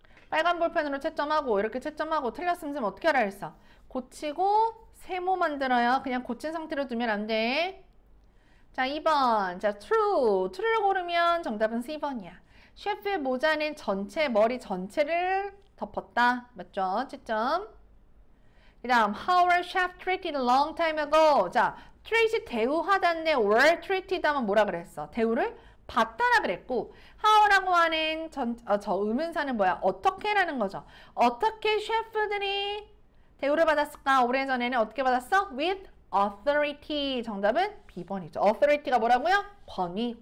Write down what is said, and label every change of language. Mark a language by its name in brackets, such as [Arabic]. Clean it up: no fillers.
[Korean] 빨간 볼펜으로 채점하고 이렇게 채점하고 틀렸으면 어떻게 하라 했어? 고치고 세모 만들어요. 그냥 고친 상태로 두면 안 돼. 자, 2번. 자, true. true를 고르면 정답은 3번이야. 셰프의 모자는 전체, 머리 전체를 덮었다. 맞죠? 채점. [English] 그 다음, how were chef treated long time ago? [Korean] 자, treat 대우하다인데 were treated 하면 뭐라 그랬어? 대우를 받다라 그랬고, how라고 하는 저 의문사는 뭐야? 어떻게 라는 거죠. 어떻게 셰프들이 대우를 받았을까? 오래전에는 어떻게 받았어? [English] With authority. [Korean] 정답은 B번이죠. authority가 뭐라고요? 권위.